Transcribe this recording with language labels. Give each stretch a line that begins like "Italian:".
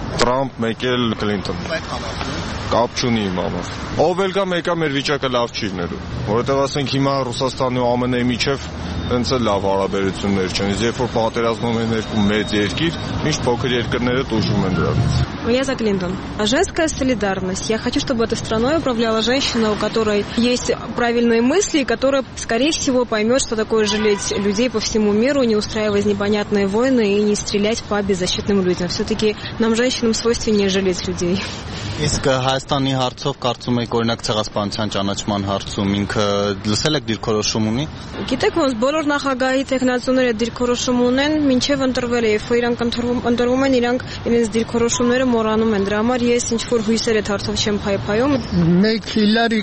Armenian: Թրամփ, Մեկել, Քլինտոն։ Կապ չունի իմ համար։ Ով էլ կա մեկը մեր վիճակը լավ չի ներում, որովհետև ասենք հիմա Ռուսաստանի ու ԱՄՆ-ի միջև ինձ լավ հարաբերություններ չեն, իսկ երբ որ պատերազմում են երկու մեծ երկիր, ինչ փոքր երկրները դժվում են դրանից։
Russian: Я за Клинтон. Женская солидарность. Я хочу, чтобы этой страной управляла женщина, у которой есть правильные мысли, которая, скорее всего, поймет, что такое жалеть людей по всему миру, не устраивать непонятные войны и не стрелять по беззащитным людям. Все-таки нам, женщинам, свойственнее жалеть людей.
Armenian: Իսկ Հայաստանի հարցով կարծում եք, օրինակ ցեղասպանության ճանաչման հարցում ինքը լսել եք դիրքորոշում ունի։ Գիտեք ոնց, բոլոր նախագահի տեխնացուները դիրքորոշում ունեն, մինչև ընտրվելը, երբ որ իրանք ընտրվում են, իրանք իրենց դիրքորոշումները մոռանում են։ Դրա համար ես ինչ որ հույսեր այդ հարցով չեմ փայփայում։